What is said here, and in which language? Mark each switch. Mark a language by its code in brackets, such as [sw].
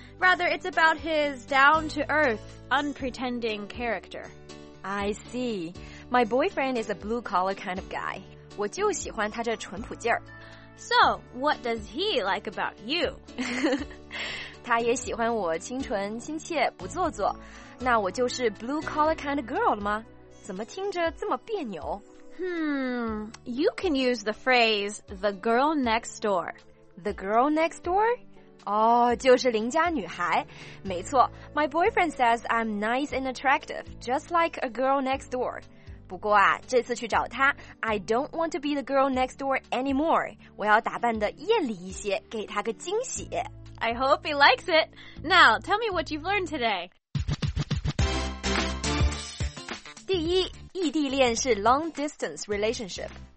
[en] Rather, it's about his down-to-earth, unpretending character. I see. My boyfriend is a blue-collar kind of guy. [zh] 我就喜欢他这淳朴劲儿。 [en] So, what does he like about you? [zh] 他也喜欢我清纯亲切不做作，那我就是 [en] blue collar kind of girl [zh] 了吗？怎么听着这么别扭？ [en] You can use the phrase the girl next door. The girl next door? [zh] 就是邻家女孩。没错， [en] my boyfriend says I'm nice and attractive, just like a girl next door. [zh] 不过啊，这次去找他 [en] ，I don't want to be the girl next door anymore. [zh] 我要打扮得艳丽一些，给他个惊喜。 [en] I hope he likes it. Now, tell me what you've learned today. [zh] 第一，异地恋是 long distance relationship.